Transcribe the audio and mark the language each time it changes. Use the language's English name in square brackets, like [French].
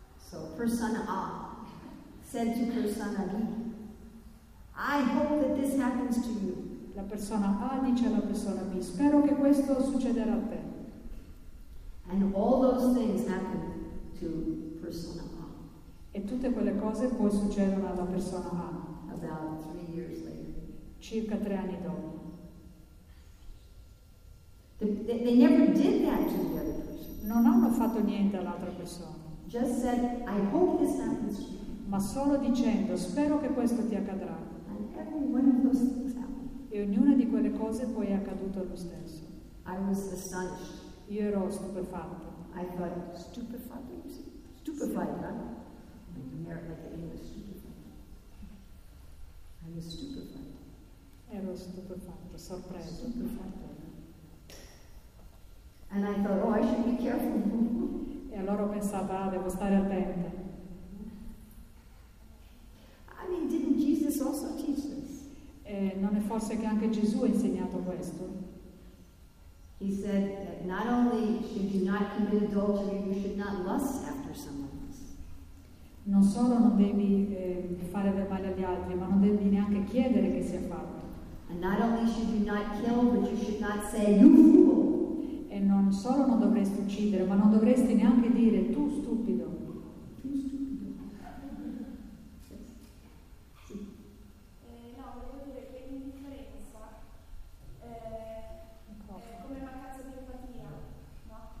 [English] So persona A said to persona B, I hope that this happens to you. [Italian] La persona A dice alla persona B, spero che questo succederà a te. [English] And all those things happen to persona A. [Italian] E tutte quelle cose poi succedono alla persona A. [English] About 3 years later. [Italian] Circa 3 anni dopo. [English] They never did that to the other person. [Italian] Non hanno fatto niente all'altra persona. [English] Just said, I hope this happens. [Italian] Ma solo dicendo, spero che questo ti accadrà. [English] And every one of those things happened. [Italian] E ognuna di quelle cose poi è accaduto lo stesso. [English] I was astonished. [Italian] Io ero stupefatto. [English] I thought, stupefatto, you see? Stupefied, huh? Like the English, stupefied. I was stupefied. [Italian] Ero stupefatto, sorpreso. Stupefatto. [English] And I thought, oh, I should be careful. [Italian] E allora ho pensato, ah, devo stare attenta. [English] I mean, didn't Jesus also teach this? [Italian] Non è forse che anche Gesù ha insegnato questo? [English] He said that not only should you not commit adultery, you should not lust after someone else. [Italian] Non solo non devi fare del male agli altri, ma non devi neanche chiedere che sia fatto. [English] And not only should you not kill, but you should not say, you fool. [Italian] E non solo non dovresti uccidere, ma non dovresti neanche dire tu stupido. Tu stupido. No, volevo dire che l'indifferenza è come mancanza di empatia, no?